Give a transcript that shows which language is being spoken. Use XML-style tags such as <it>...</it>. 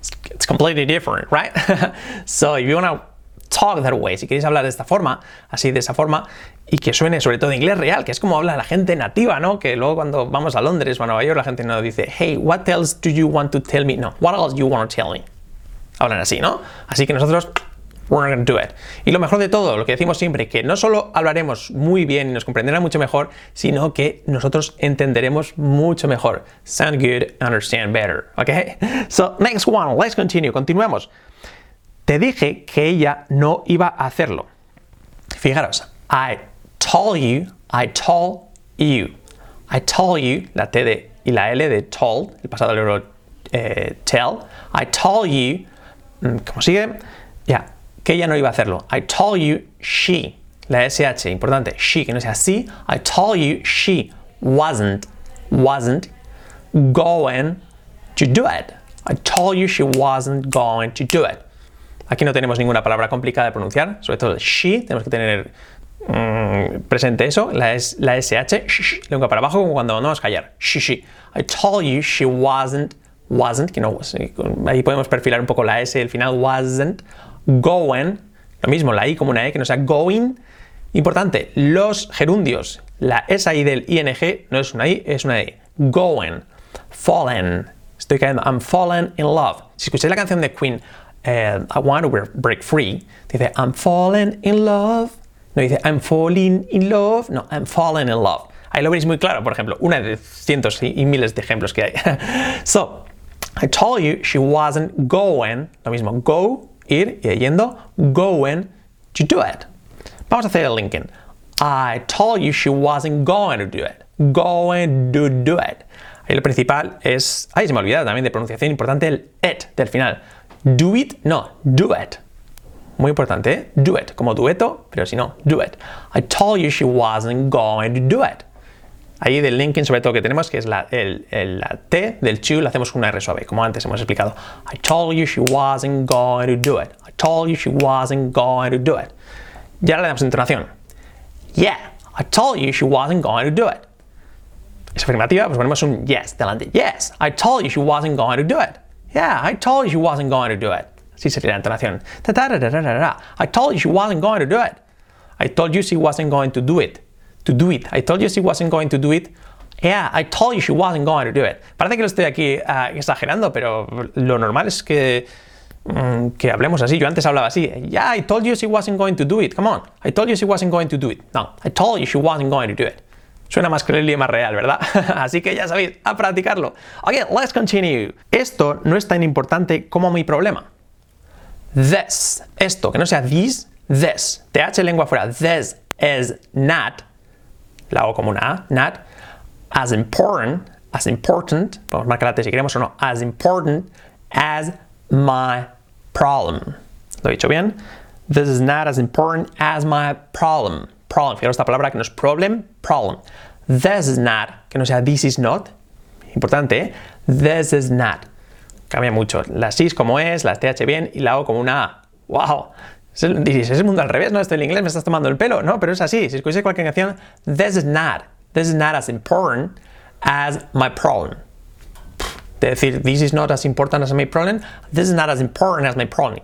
<en>It's completely different, right? So if you want to talk that way,</en> <es>si queréis hablar de esta forma, así de esa forma, y que suene sobre todo inglés real, que es como habla la gente nativa, ¿no? Que luego cuando vamos a Londres o a Nueva York, la gente no dice, hey,</es> <en>what else do you want to tell me?</en> <es>No, what else do you want to tell me? Hablan así, ¿no? Así que nosotros,</es> <en>we're going to do it.</en> <es>Y lo mejor de todo, lo que decimos siempre, que no solo hablaremos muy bien y nos comprenderá mucho mejor, sino que nosotros entenderemos mucho mejor.</es> <en>Sound good, understand better. ¿Ok? So, next one, let's continue.</en> <es>Continuemos. Te dije que ella no iba a hacerlo. Fijaros.</es> <en>I told you, I told you. I told you,</en> <es>la T de, y la L de told, el pasado del verbo tell.</es> <en>I told you,</en> <es>¿cómo sigue? Ya. Yeah. Que ella no iba a hacerlo.</es> <en>I told you she,</en> <es>la SH, importante, she, que no sea así.</es> <en>I told you she wasn't going to do it. I told you she wasn't going to do it.</en> <es>Aquí no tenemos ninguna palabra complicada de pronunciar, sobre todo she, tenemos que tener presente eso, la SH, sh, sh, lengua para abajo, como cuando no vamos a callar, she, she.</es> <en>I told you she wasn't,</en> <es>que no, ahí podemos perfilar un poco la S, el final, wasn't. Going, lo mismo, la I como una E, que no sea going. Importante, los gerundios, la S I del ING no es una I, es una E.</es> <en>Going, fallen,</en> <es>estoy cayendo,</es> <en>I'm falling in love.</en> <es>Si escucháis la canción de Queen,</es> <en>I want to break free,</en> <es>dice</es> <en>I'm falling in love,</en> <es>no dice I'm falling in love, no, I'm falling in love. Ahí lo veis muy claro, por ejemplo, una de cientos y miles de ejemplos que hay.</es> <en>So, I told you she wasn't going, lo mismo, go,</en> <es>ir y yendo,</es> <en>going to do it.</en> <es>Vamos a hacer el Lincoln.</es> <en>I told you she wasn't going to do it. Going to do it.</en> <es>Ahí lo principal es, ahí se me ha olvidado también de pronunciación importante, el it del final.</es> <en>Do it, no, do it.</en> <es>Muy importante, ¿eh?</es> <en>Do it,</en> <es>como dueto, pero si no,</es> <en>do it. I told you she wasn't going to do it.</en> <es>ahí del linking sobre todo que tenemos, que es la T del chew, la hacemos con una R suave, como antes hemos explicado.</es> <en>I told you she wasn't going to do it. I told you she wasn't going to do it.</en> <es>Y ahora le damos entonación.</es> <en>Yeah, I told you she wasn't going to do it.</en> <es>Es afirmativa, pues ponemos un yes delante.</es> <en>Yes, I told you she wasn't going to do it. Yeah, I told you she wasn't going to do it.</en> <es>Así sería la entonación.</es> <en>I told you she wasn't going to do it. I told you she wasn't going to do it. To do it. I told you she wasn't going to do it. Yeah, I told you she wasn't going to do it.</en> <es>Parece que lo estoy aquí exagerando, pero lo normal es que hablemos así. Yo antes hablaba así.</es> <en>Yeah, I told you she wasn't going to do it. Come on. I told you she wasn't going to do it. No, I told you she wasn't going to do it.</en> <es>Suena más creíble y más real, ¿verdad? Así que ya sabéis, a practicarlo.</es> <en>Ok, let's continue.</en> <es>Esto no es tan importante como mi problema. This. Esto, que no sea this, this. TH lengua fuera.</es> <en>This is not.</en> <es>La O como una A.</es> <en>Not. As important. As important.</en> <es>Podemos marcar la T si queremos o no.</es> <en>As important as my problem.</en> <es>¿Lo he dicho bien?</es> <en>This is not as important as my problem.</en> <es>Problem. Fijaros esta palabra que no es problem. Problem.</es> <en>This is not.</en> <es>Que no sea this is not. Importante, ¿eh?</es> <en>This is not.</en> <es>Cambia mucho. Las is como es, las th bien y la o como una a. ¡Wow! Dices, es el mundo al revés, ¿no? Esto en inglés me estás tomando el pelo, ¿no? Pero es así. Si escuchas cualquier canción,</es> <en>this is not. This is not as important as my problem.</en> <es>De decir,</es> <en>this is not as important as my problem. This is not as important as my problem.</en>